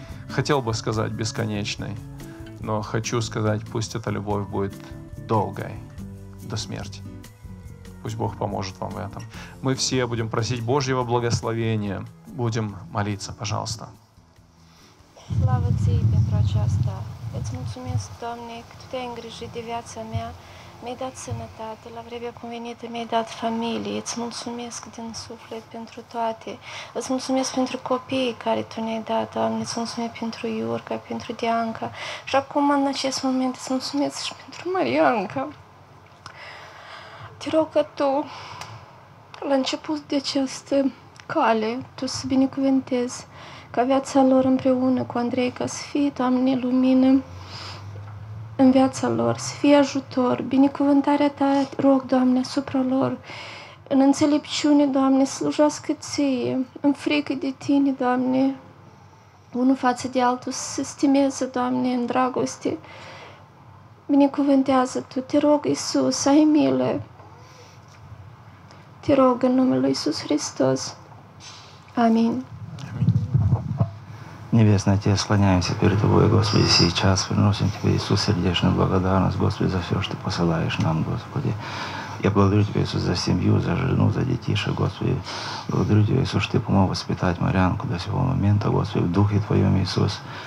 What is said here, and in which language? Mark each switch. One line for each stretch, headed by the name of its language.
Russian: Хотел бы сказать бесконечной, но хочу сказать, пусть эта любовь будет долгой, до смерти. Пусть Бог поможет вам в этом. Мы все будем просить Божьего благословения, будем молиться, пожалуйста. Слава тебе, Петро, часто. Это мучимец, домник, туда ингрежи, девяца мя.
Romanian: Mi-ați sănătate, la vremea cuvenită mi-ai dat familie, îți mulțumesc din suflet pentru toate, îți mulțumesc pentru copiii care Tu ne-ai dat, Doamne, îți mulțumesc pentru Iurca, pentru Dianca și acum, în acest moment, îți mulțumesc și pentru Marianca. Te rog că Tu, la început de această cale, Tu să binecuvântezi ca viața lor împreună cu Andrei, ca să fie, Doamne, lumină, în viața lor, să fie ajutor, binecuvântarea Ta, rog, Doamne, asupra lor, în înțelepciune, Doamne, slujească Ție, în frică de Tine, Doamne, unul față de altul, să se stimeze, Doamne, în dragoste, binecuvântează Tu, te rog, Iisus, ai milă, te rog, în numele lui Iisus Hristos, amin.
Russian: Небесный Отец, склоняемся перед Тобой, Господи, сейчас приносим Тебе, Иисус, сердечную благодарность, Господи, за все, что посылаешь нам, Господи. Я благодарю Тебя, Иисус, за семью, за жену, за детишек, Господи. Благодарю Тебя, Иисус, что Ты помог воспитать Марианку до сего момента, Господи, в Духе Твоем, Иисус.